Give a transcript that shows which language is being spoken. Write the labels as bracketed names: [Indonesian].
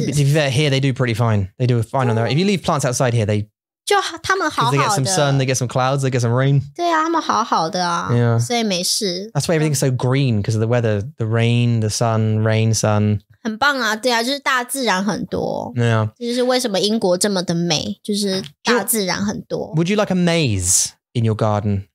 [English] To be fair, here they do pretty fine. They do fine on their own. If you leave plants outside here, they [Chinese] 就他们好好的. [English] They get some sun, they get some clouds, they get some rain. [Chinese] 对啊，他们好好的啊。 [English] Yeah. [Chinese] 所以没事。 [English] That's why everything's so green, because of the weather, the rain, the sun, rain, sun. [Chinese] 很棒啊, 对啊, 就是大自然很多。 [English] Yeah. [Chinese] 这就是为什么英国这么的美, 就是大自然很多。 [English] Would you like a maze in your garden?